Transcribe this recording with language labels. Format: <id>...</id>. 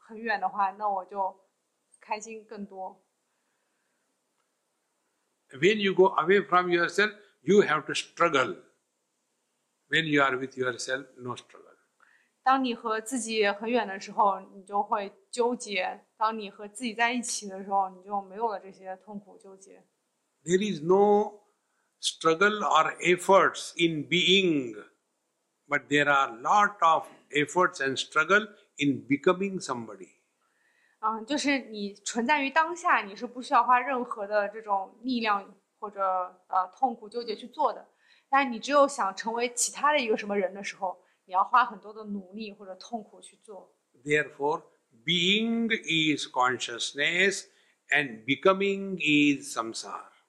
<zh>如果我较少的和离自己很远的话，那我就开心更多。</zh> <en>When you go away from yourself, you have to struggle. When you are with yourself, no struggle.</en> <zh>当你和自己很远的时候，你就会纠结；当你和自己在一起的时候，你就没有了这些痛苦纠结。</zh> <en>There is no struggle or efforts in being, but there are lot of efforts and struggle in becoming somebody.</en> <zh>就是你存在于当下，你是不需要花任何的这种力量或者痛苦纠结去做的。但你只有想成为其他的一个什么人的时候。</zh> <en>Therefore, being is consciousness, and becoming is samsara.</en>